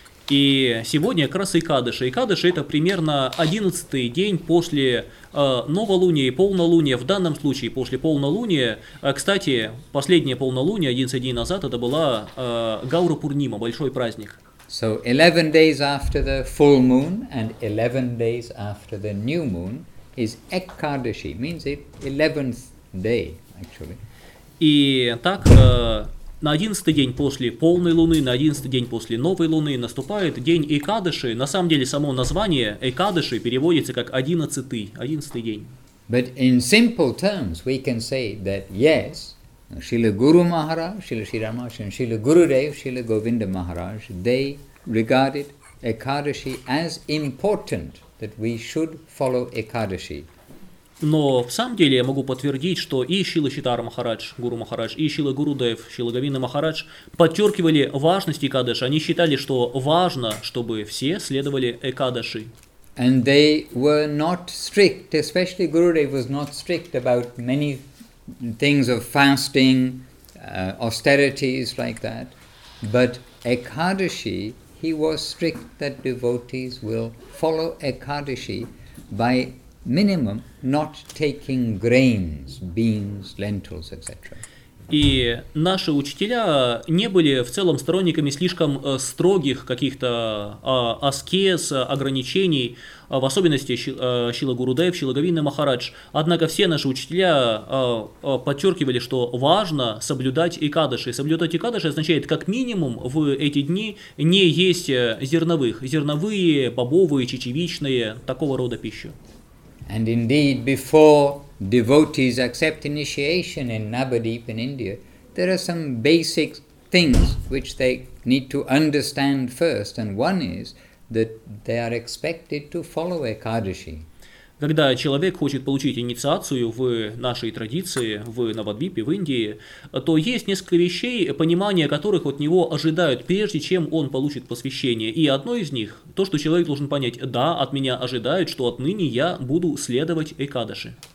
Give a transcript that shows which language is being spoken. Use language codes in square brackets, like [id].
[ru] И сегодня как раз Экадаши. Экадаши это примерно 11-й день после новолуния и полнолуния. В данном случае после полнолуния. Кстати, последнее полнолуние 11 дней назад это была Гаура Пурнима, большой праздник. [en] So 11 days after the full moon and 11 days after the new moon is Ekadashi, means it 11th day actually. [ru] И так на 11-й день после полной луны, на 11-й день после новой луны наступает день Экадаши. На самом деле само название Экадаши переводится как 11-й день. [en] But in simple terms we can say that yes, Srila Guru Maharaj, Srila Sri Ramaraj and Srila Gurudev, Srila Govinda Maharaj, they regarded Ekadashi as important, that we should follow Ekadashi. [ru] Но в самом деле я могу подтвердить, что и Шрила Читара Махарадж, Гуру Махарадж, и Шрила Гурудев, Шрила Говинда Махарадж подчеркивали важность Экадаши. Они считали, что важно, чтобы все следовали Экадаши. [en] And they were not strict, especially Gurudev was not strict about many things of fasting, austerities like that. But Ekadashi, he was strict that devotees will follow Ekadashi by minimum not taking grains, beans, lentils, etc. [ru] И наши учителя не были в целом сторонниками слишком строгих каких-то аскез, ограничений, в особенности Шрила Гурудев, Шрила Говинда Махарадж. Однако все наши учителя подчеркивали, что важно соблюдать Экадаши. Соблюдать Экадаши означает как минимум в эти дни не есть зерновых. Зерновые, бобовые, чечевичные, такого рода пищу. [en] And indeed, before devotees accept initiation in Nabadeep in India, there are some basic things which they need to understand first. And one is that they are expected to follow Ekadashi. [ru] Когда человек хочет получить инициацию в нашей традиции, в Навадвипе, в Индии, то есть несколько вещей, понимание которых от него ожидают, прежде чем он получит посвящение. И одно из них, то, что человек должен понять, да, от меня ожидают, что отныне я буду следовать Экадаши.